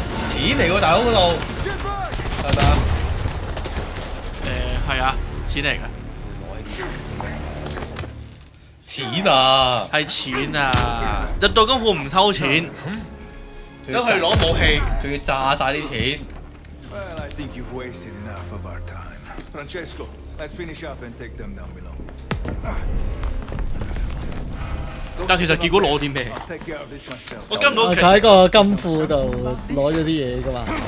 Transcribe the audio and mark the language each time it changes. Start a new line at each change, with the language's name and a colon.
Cantonese: 錢嚟喎，大佬嗰度係咪啊？係啊，錢嚟嘅。錢啊！係錢啊！入到金庫唔偷錢，都去攞武器，仲要炸曬啲錢。
English: Well, I think you've wasted enough of our time. Francesco, let's finish up and take them down below.
Cantonese: 但其實結果攞啲咩？我跟唔到佢喺個金庫度攞咗啲嘢噶嘛？